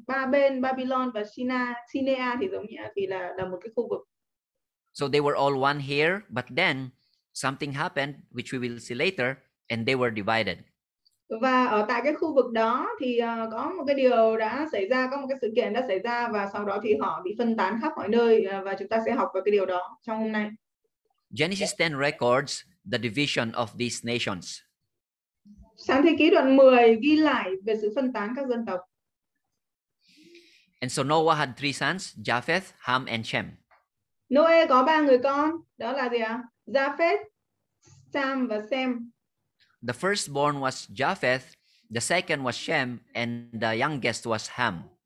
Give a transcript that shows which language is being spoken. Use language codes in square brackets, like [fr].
[vi] Babel, Babylon và Sinea thì giống nhau, thì là một cái khu vực. [en] So they were all one here, but then something happened which we will see later and they were divided. [vi] Và ở tại cái khu vực đó thì có một cái điều đã xảy ra, có một cái sự kiện đã xảy ra và sau đó thì họ bị phân tán khắp mọi nơi và chúng ta sẽ học về cái điều đó trong hôm nay. [en] Genesis 10 records the division of these nations. [vi] Sáng Thế Ký đoạn 10 ghi lại về sự phân tán các dân tộc. [en] And so Noah had three sons, Japheth, Ham and Shem. [vi] Noe có 3 người con, đó là gì ạ? Japheth, Ham và Shem. [en] The firstborn was Japheth, the second was Shem and the youngest was Ham.